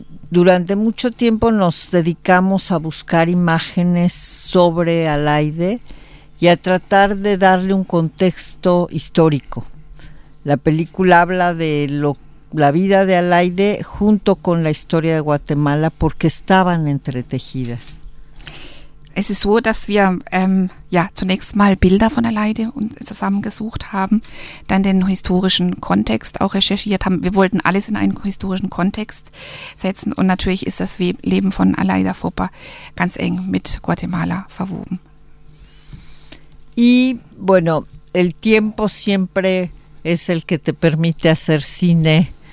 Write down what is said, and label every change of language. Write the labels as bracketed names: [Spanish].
[Spanish] Durante mucho tiempo nos dedicamos a buscar imágenes sobre Alaide y a tratar de darle un contexto histórico. La película habla de la vida de Alaide junto con la historia de Guatemala porque estaban entretejidas. [German] Es ist so, dass wir zunächst mal Bilder von Alaide zusammengesucht haben, dann den historischen Kontext auch recherchiert haben. Wir wollten alles in einen historischen Kontext setzen und natürlich ist das Leben von Alaide Fopa ganz eng mit Guatemala verwoben. [Spanish] Y bueno, el tiempo siempre es el que te permite hacer cine.